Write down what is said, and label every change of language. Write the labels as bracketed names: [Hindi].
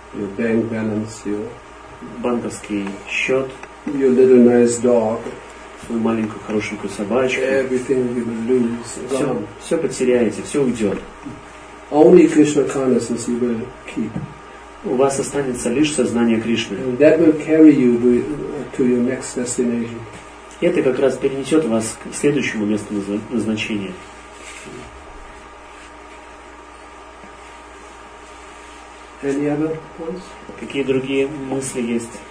[English] Your bank balance, your [Russian] банковский счет. [English] Your little nice dog. [Russian] Свою маленькую хорошенькую собачку. [English] Everything you will lose. [Russian] Все потеряете, все уйдет. [English] Only Krishna consciousness you will keep. [Russian] У вас останется лишь сознание Кришны. [English] And that will carry you to your next destination. [Russian] И это как раз перенесет вас к следующему месту назначения. [English] Any other points? [Russian] Какие другие мысли есть?